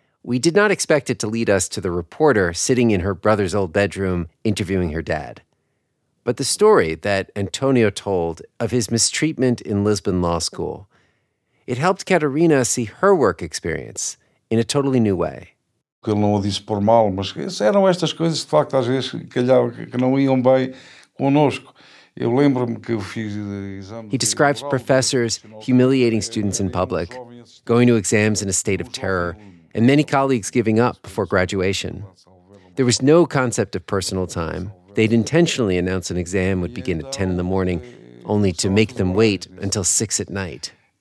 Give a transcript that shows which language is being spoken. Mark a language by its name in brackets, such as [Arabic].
[English] We did not expect it to lead us to the reporter sitting in her brother's old bedroom interviewing her dad. But the story that Antonio told of his mistreatment in Lisbon Law School, it helped Catarina see her work experience in a totally new way. [Portuguese] Ele não o disse por mal, mas eram estas coisas de facto às vezes calhava que não iam bem conosco. Eu lembro-me que eu fiz exames. [English] He describes professors humiliating students in public, going to exams in a state of terror, and many colleagues giving up before graduation. There was no concept of personal time. They'd intentionally announce an exam would begin at 10 in the morning, only to make them wait until 6 at night.